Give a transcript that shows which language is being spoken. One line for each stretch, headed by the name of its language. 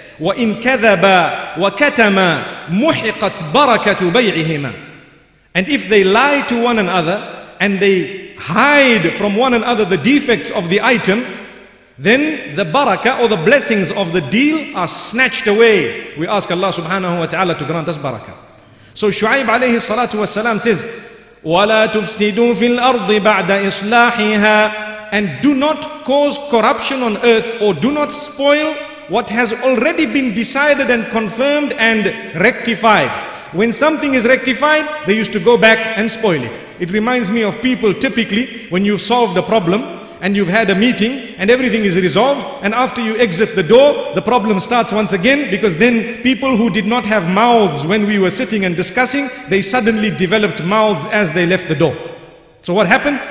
Arabic: وَإِنْ كَذَبَا وَكَتَمَا مُحِقَتْ بَرَكَةُ بَيْعِهِمَا.
English: And if they lie to one another and they hide from one another the defects of the item, then the barakah or the blessings of the deal are snatched away. We ask Allah subhanahu wa ta'ala to grant us barakah. So Shu'aib alayhi salatu wa salam says,
Arabic: ولا تفسدوا في الأرض بعد إصلاحها.
English: And do not cause corruption on earth, or do not spoil what has already been decided and confirmed and rectified. When something is rectified, they used to go back and spoil it. It reminds me of people typically when you've solved a problem and you've had a meeting and everything is resolved, and after you exit the door, the problem starts once again, because then people who did not have mouths when we were sitting and discussing, they suddenly developed mouths as they left the door. So what happened?